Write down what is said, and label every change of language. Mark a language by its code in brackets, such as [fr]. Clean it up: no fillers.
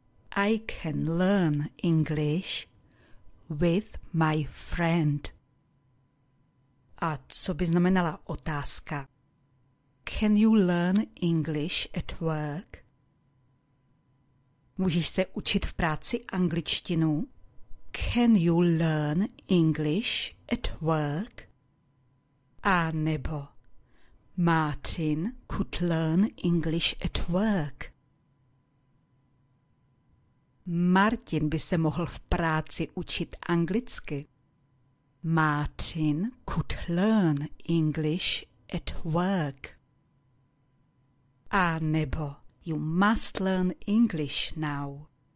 [en] I can learn English with my friend. [cs] A co by znamenala otázka? [en] Can you learn English at work? [cs] Můžeš se učit v práci angličtinu? [en] Can you learn English at work? [cs] A nebo [en] Martin could learn English at work. [cs] Martin by se mohl v práci učit anglicky. [en] Martin could learn English at work. [cs] A nebo [en] you must learn English now.